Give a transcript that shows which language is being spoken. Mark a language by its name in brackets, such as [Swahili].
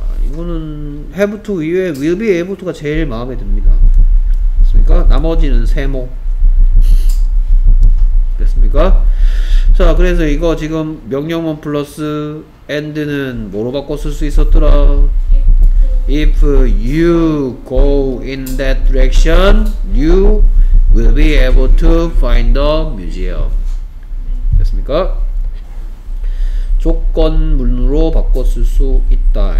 [Korean] 이거는 have to 이외에 will be able to가 제일 마음에 듭니다. 됐습니까? 나머지는 세모. 됐습니까? 자, 그래서 이거 지금 명령문 플러스 and는 뭐로 바꿔 쓸 수 있었더라? [English] If you go in that direction, you will be able to find the museum. [Korean] 됐습니까? 조건문으로 바꿔 쓸 수 있다.